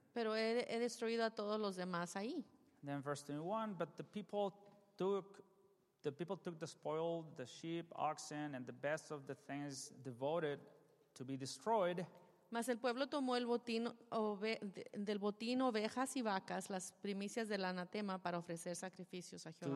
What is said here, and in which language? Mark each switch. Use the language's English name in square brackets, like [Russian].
[Spanish] Pero he destruido a todos los demás ahí. [English] Then verse 21, but the people took the spoil, the sheep, oxen, and the best of the things devoted to be destroyed. [Spanish] Mas el pueblo tomó el botín del botín ovejas y vacas, las primicias del anatema, para ofrecer sacrificios a Jehová.